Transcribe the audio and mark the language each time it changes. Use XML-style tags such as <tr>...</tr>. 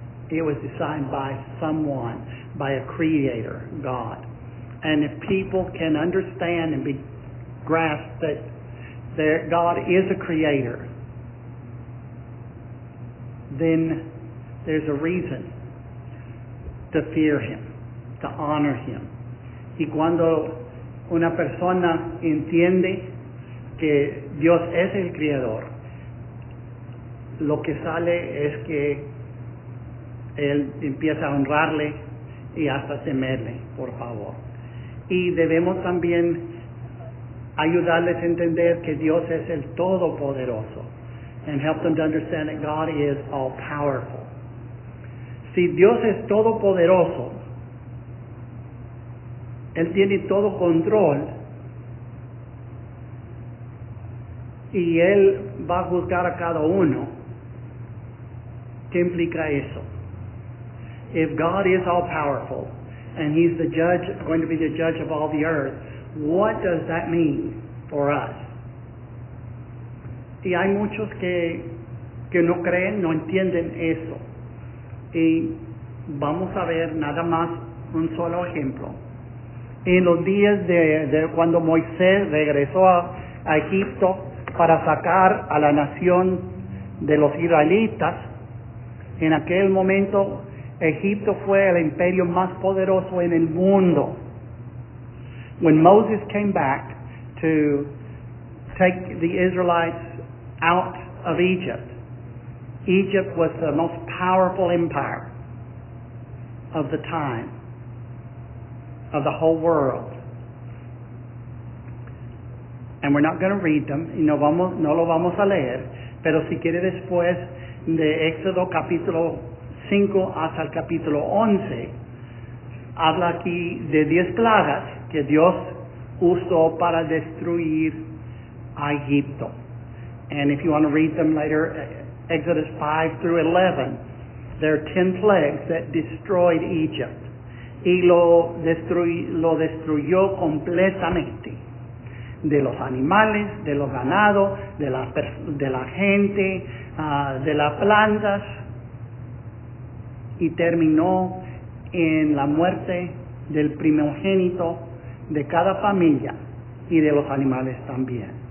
<en>It was designed by someone, by a creator, God. And if people can understand and grasp that God is a creator, then there's a reason to fear him, to honor him.</en> <es>Y cuando una persona entiende que Dios es el creador, lo que sale es que él empieza a honrarle y hasta temerle, por favor. Y debemos también ayudarles a entender que Dios es el Todopoderoso.</es> <en>And help them to understand that God is all-powerful.</en> <es>Si Dios es todopoderoso, Él tiene todo control, y Él va a juzgar a cada uno, ¿qué implica eso?</es> <en>If God is all-powerful, and He's the judge, going to be the judge of all the earth, what does that mean for us?</en> <es>Y hay muchos que no creen, no entienden eso. Y vamos a ver nada más un solo ejemplo. En los días de cuando Moisés regresó a Egipto para sacar a la nación de los israelitas, en aquel momento Egipto fue el imperio más poderoso en el mundo.</es> <en>When Moses came back to take the Israelites out of Egypt, Egypt was the most powerful empire of the time, of the whole world. And we're not going to read them,</en> <es>y no lo vamos a leer, pero si quiere después de Éxodo capítulo 5 hasta el capítulo 11, habla aquí de 10 plagas que Dios usó para destruir a Egipto.</es> <en>And if you want to read them later, Exodus 5 through 11, there are 10 plagues that destroyed Egypt.</en> <es>Y lo destruyó completamente. De los animales, de los ganados, de la gente, de las plantas. Y terminó en la muerte del primogénito de cada familia y de los animales también.</es>